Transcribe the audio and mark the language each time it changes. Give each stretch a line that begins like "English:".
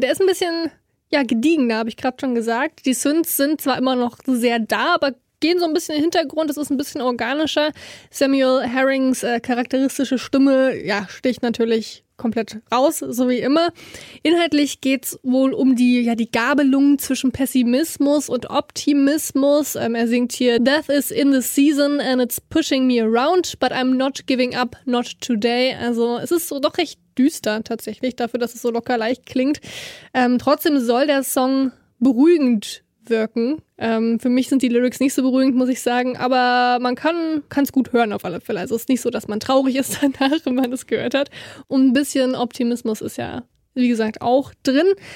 German: Der ist ein bisschen gediegen, da habe ich gerade schon gesagt. Die Synths sind zwar immer noch sehr da, aber gehen so ein bisschen in den Hintergrund. Es ist ein bisschen organischer. Samuel Herrings charakteristische Stimme sticht natürlich komplett raus, so wie immer. Inhaltlich geht es wohl um die Gabelung zwischen Pessimismus und Optimismus. Er singt hier,
English: Death is in the season and it's pushing me around, but I'm not giving up, not today.
German: Also es ist so doch recht düster tatsächlich, dafür, dass es so locker leicht klingt. Trotzdem soll der Song beruhigend wirken. Für mich sind die Lyrics nicht so beruhigend, muss ich sagen, aber man kann es gut hören auf alle Fälle. Also es ist nicht so, dass man traurig ist danach, wenn man es gehört hat. Und ein bisschen Optimismus ist ja, wie gesagt, auch drin.